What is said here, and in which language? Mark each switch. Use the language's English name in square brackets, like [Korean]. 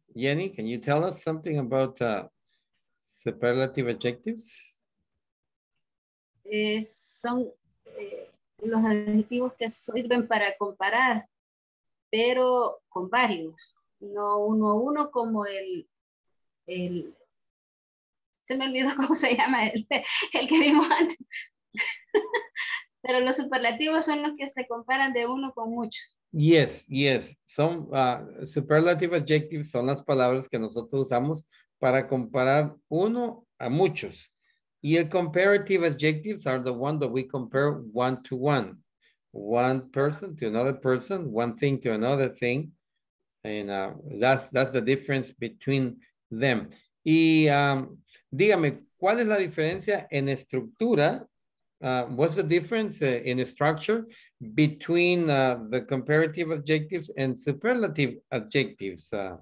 [English] Jenny, can you tell us something about superlative adjectives? [Spanish] Son los adjetivos que sirven para comparar, pero con varios. No uno a uno como el se me olvidó cómo se llama el que vimos antes. Pero los superlativos son los que se comparan de uno con mucho. [English] Yes, yes. [Spanish] Son superlative adjectives son las palabras que nosotros usamos para comparar uno a muchos. Y el [English] comparative adjectives are the one that we compare one to one. One person to another person, one thing to another thing. And that's the difference between them. [Spanish] Y dígame, ¿cuál es la diferencia en estructura? [English] What's the difference in structure between the comparative adjectives and superlative adjectives?